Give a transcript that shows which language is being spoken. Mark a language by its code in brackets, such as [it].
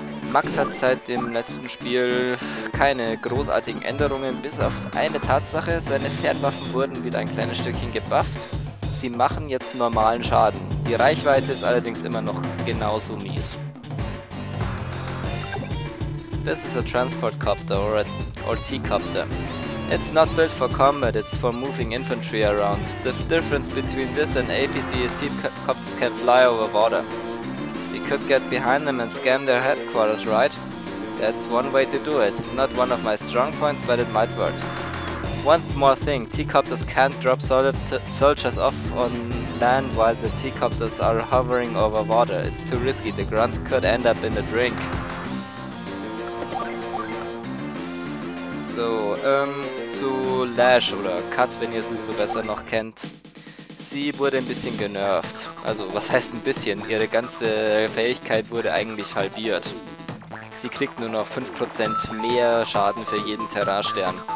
[de] Max hat seit dem letzten Spiel keine großartigen Änderungen, bis auf eine Tatsache. Seine Fernwaffen wurden wieder ein kleines Stückchen gebufft. Sie machen jetzt normalen Schaden. Die Reichweite ist allerdings immer noch genauso mies. [en] This is a transport copter or T-copter. It's not built for combat, it's for moving infantry around. The difference between this and APC is T-copters can fly over water. We could get behind them and scan their headquarters, right? That's one way to do it. Not one of my strong points, but it might work. One more thing, T-copters can't drop soldiers off on land while the T-copters are hovering over water. It's too risky, the grunts could end up in a drink. [de] So, zu Lash oder Cut, wenn ihr sie so besser noch kennt. Sie wurde ein bisschen genervt. Also, was heißt ein bisschen? Ihre ganze Fähigkeit wurde eigentlich halbiert. Sie kriegt nur noch 5% mehr Schaden für jeden Terrarstern.